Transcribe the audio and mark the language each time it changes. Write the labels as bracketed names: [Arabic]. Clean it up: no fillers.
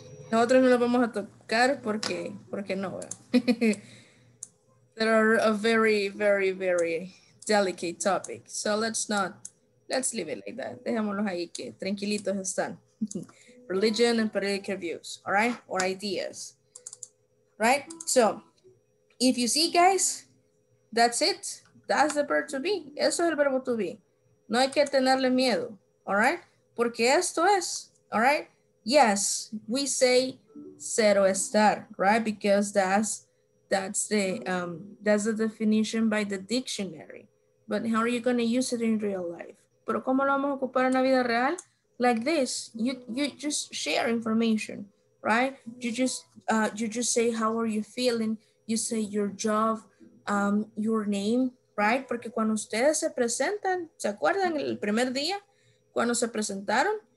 [Spanish] Nosotros no lo vamos a tocar porque, porque no. [English] There are a very, very, very delicate topic. So let's not, let's leave it like that. [Spanish] Dejámoslos ahí que tranquilitos están. [English] Religion and political views, all right? Or ideas, right? So if you see, guys, that's it. That's the verb to be. [Spanish] Eso es el verbo to be. No hay que tenerle miedo, [English] all right? [Spanish] Porque esto es, [English] all right? Yes, we say cero estar, right? Because that's the definition by the dictionary. But how are you going to use it in real life? [Spanish] Pero cómo lo vamos a ocupar en la vida real? [English] Like this, you just share information, right? You just say how are you feeling. You say your job, your name, right? [Spanish] Porque cuando ustedes se presentan, ¿se acuerdan el primer día cuando se presentaron?